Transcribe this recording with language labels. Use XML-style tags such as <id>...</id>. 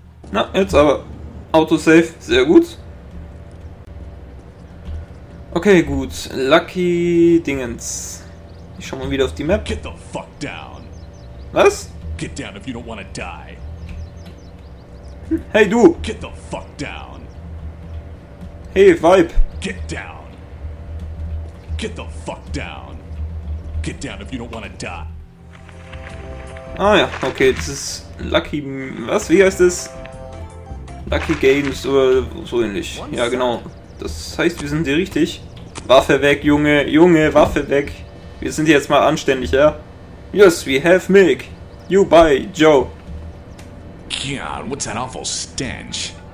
<de>Na, jetzt aber. Autosave, sehr gut. Okay, gut. Lucky Dingens. Ich schau mal wieder auf die Map.</de> <en>Get the fuck down.</en> <de>Was?</de> <en>Get down if you don't wanna die.</en> <de>Hey du!</de> <en>Get the fuck down!</en> <de>Hey Vibe!</de> <en>Get down! Get the fuck down! Get down if you don't wanna die!</en> <de>Ah ja, okay, das ist Lucky. Was? Wie heißt das? Lucky Games oder so ähnlich. Ja, genau. Das heißt, wir sind hier richtig. Waffe weg, Junge! Junge, Waffe weg! Wir sind hier jetzt mal anständig, ja?</de> <en>Yes, we have milk! You buy, Joe! God, what's that awful stench?</en>